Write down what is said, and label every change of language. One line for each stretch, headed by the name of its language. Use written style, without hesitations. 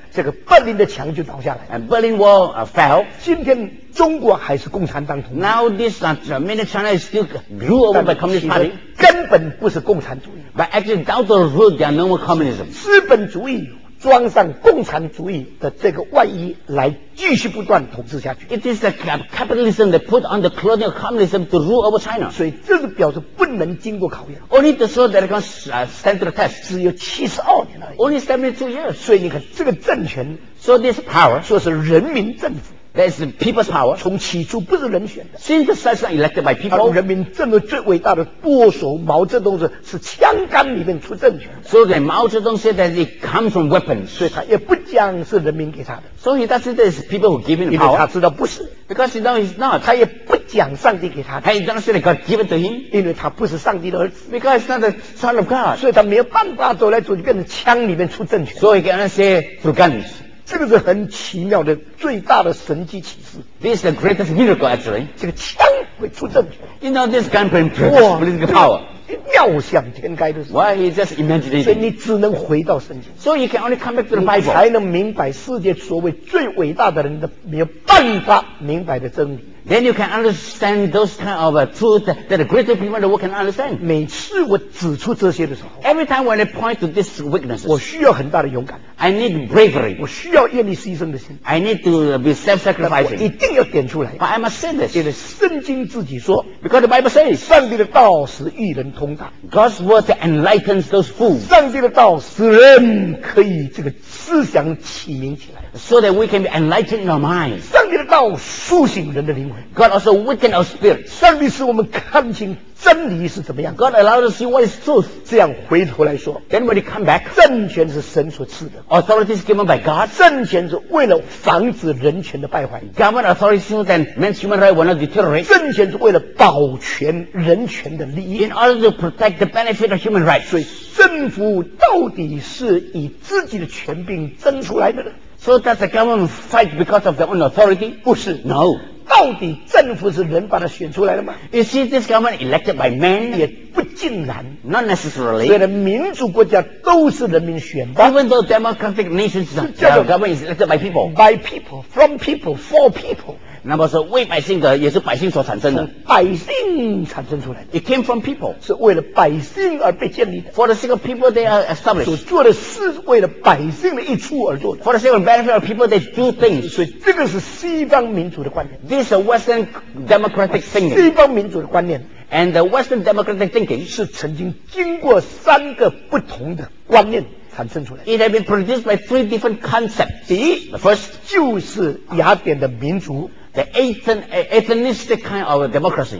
Chinese: 这个柏林的墙就倒下来。
English: And Berlin Wall fell.
Chinese: 今天中国还是共产党统治。
English: Now this mainland China is still ruled over by Communist Party.
Chinese: 根本不是共产主义。
English: But actually, down the road, there are no more communism.
Chinese: 资本主义装上共产主义的这个外衣来继续不断统治下去。
English: It is the capitalism that put on the clothing of communism to rule over China.
Chinese: 所以这个表示不能经过考验。
English: Only to show that it can stand to the test.
Chinese: 只有72年而已。
English: Only 72 years.
Chinese: 所以你看这个政权。
English: So this power.
Chinese: 说是人民政府。
English: That is people's power.
Chinese: 从起初不是人选的。
English: Since it's not elected by people.
Chinese: 而人民政府最伟大的舵手毛泽东是枪杆里面出政权。
English: So that Mao Zedong said that it comes from weapons.
Chinese: 所以他也不讲是人民给他的。
English: So he doesn't say it's people who give him the power.
Chinese: 他知道不是。
English: Because he knows he's not.
Chinese: 他也不讲上帝给他的。
English: He doesn't say that God gave it to him.
Chinese: 因为他不是上帝的儿子。
English: Because he's not the son of God.
Chinese: 所以他没有办法走来走去变成枪里面出政权。
English: So he can only say through guns.
Chinese: 这个是很奇妙的最大的神迹启示。
English: This is the greatest miracle actually.
Chinese: 这个枪会出阵。
English: You know this gun can produce political power.
Chinese: 妙想天开的事。
English: Why he just imagined it?
Chinese: 所以你只能回到圣经。
English: So you can only come back to the Bible.
Chinese: 你才能明白世界所谓最伟大的人的没有办法明白的真理。
English: Then you can understand those kind of truth that the greater people in the world can understand.
Chinese: 每次我指出这些的时候，
English: Every time when I point to these weaknesses,
Chinese: 我需要很大的勇敢。
English: I need bravery.
Chinese: 我需要愿意牺牲的心。
English: I need to be self-sacrificing.
Chinese: 一定要点出来。
English: But I must say this.
Chinese: 因为圣经自己说，
English: Because the Bible says,
Chinese: 上帝的道使义人通达。
English: God's word enlightens those fools.
Chinese: 上帝的道使人可以这个思想启明起来。
English: So that we can be enlightened in our minds.
Chinese: 上帝的道苏醒人的灵魂。
English: God also awakened our spirit.
Chinese: 上帝使我们看清真理是怎么样。
English: God allowed us to see what is truth.
Chinese: 这样回头来说。
English: Then when you come back,
Chinese: 政权是神所赐的。
English: Authority is given by God.
Chinese: 政权是为了防止人权的败坏。
English: Government authority so that men's human rights will not deteriorate.
Chinese: 政权是为了保全人权的利益。
English: In order to protect the benefit of human rights.
Chinese: 所以政府到底是以自己的权柄争出来的呢？
English: So does the government fight because of their own authority?
Chinese: 不是
English: No.
Chinese: 到底政府是人把它选出来的吗？
English: You see this government elected by men?
Chinese: 也不尽然
English: Not necessarily.
Chinese: 虽然民主国家都是人民选的
English: Even though democratic nations are government is elected by people. By people, from people, for people.
Chinese: 那么说为百姓的也是百姓所产生的。百姓产生出来的。
English: It came from people.
Chinese: 是为了百姓而被建立的。
English: For the sake of people they are established.
Chinese: 所做的事为了百姓的益处而做的。
English: For the sake of benefit of people they do things.
Chinese: 所以这个是西方民主的观念。
English: This is a Western democratic thinking.
Chinese: 西方民主的观念。
English: And the Western democratic thinking.
Chinese: 是曾经经过三个不同的观念。产生出来。
English: It has been produced by three different concepts.
Chinese: 第一
English: ，the first
Chinese: 就是雅典的民族
English: ，the ethnicistic kind of democracy.